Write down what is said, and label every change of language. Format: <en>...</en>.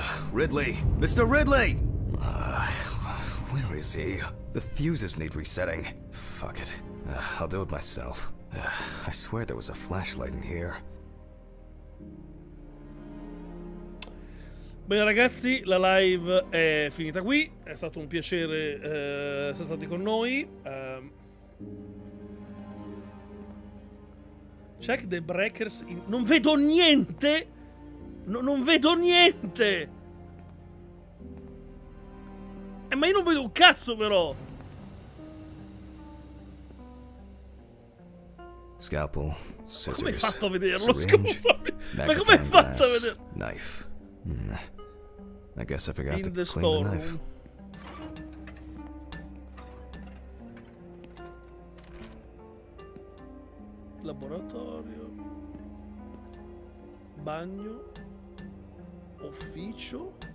<en>Ridley! Mr. Ridley! Where is he? The fuses need resetting. Fuck it. I'll do it myself. I swear there was a flashlight in here.</en> <it>Bene ragazzi, la live è finita qui, è stato un piacere essere stati con noi.</it> <en>Check the breakers in...</en> <it>Non vedo niente! Non vedo niente! Ma io non vedo un cazzo però!</it> <en>Scalpel, scissors,</en> <it>come hai fatto a vederlo? Syringe, scusami! Ma come hai fatto a vederlo?</it> <en>Knife. I guess I forgot to clean the knife.</en> <it>Laboratorio. Bagno. Ufficio.</it>